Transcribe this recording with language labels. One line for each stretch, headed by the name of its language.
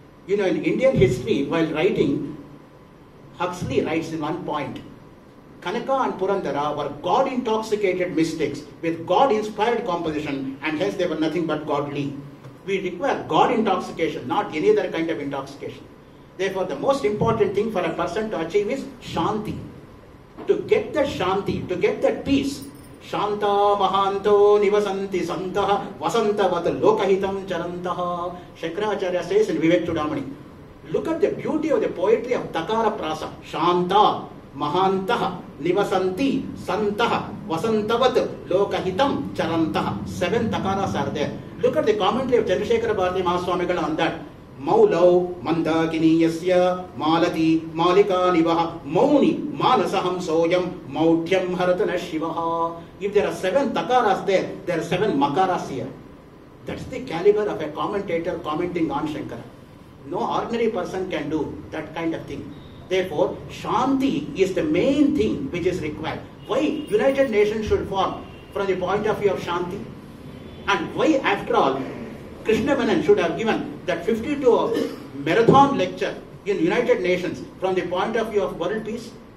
English: You know, in Indian history, while writing, Huxley writes in one point, Kanaka and Purandara were God-intoxicated mystics with God-inspired composition, and hence they were nothing but godly. We require God intoxication, not any other kind of intoxication. Therefore, the most important thing for a person to achieve is shanti. To get that shanti, to get that peace,
Sanskrit: Shanta మహాంతో నివసంతి సంతః వసంతవత్ లోకహితం చరంతః.
English: Shankaracharya says in Vivekachudamani, look at the beauty of the poetry of takara prasa.
Sanskrit: Shanta మహాంతః నివసంతి సంతః వసంతవత్ లోకహితం చరంతః.
English: Seven takaras are there. Look at the commentary of Chandrashekhara Bharati Mahaswami garu on that.
Sanskrit: మౌలౌ మందాకినీయస్య Malathi మాలికానివః Mouni మానసహంసోయం మౌఢ్యం హరతన శివః.
English: If there are seven takaras there, there are seven makaras here. That's the calibre of a commentator commenting on Shankara. No ordinary person can do that kind of thing. Therefore, Shanti is the main thing which is required. Why United Nations should form from the point of view of Shanti? And why, after all, Krishna Menon should have given that 52 marathon lecture in United Nations from the point of view of world peace?